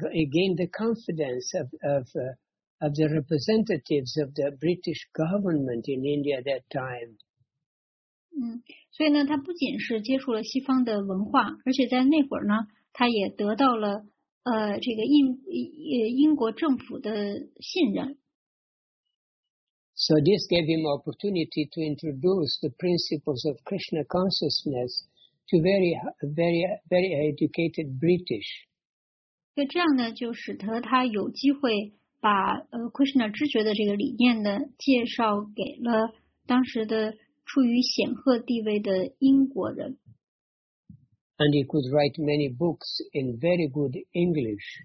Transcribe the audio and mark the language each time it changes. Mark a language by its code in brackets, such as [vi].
[en] He gained the confidence of the representatives of the British government in India at that time. [zh] 所以呢，他不仅是接触了西方的文化，而且在那会儿呢，他也得到了这个英国政府的信任。 [en] So this gave him opportunity to introduce the principles of Krishna consciousness to very, very, very educated British. [zh] 就这样呢，就使得他有机会把Krishna 知觉的这个理念呢，介绍给了当时的处于显赫地位的英国人。 [en] And he could write many books in very good English.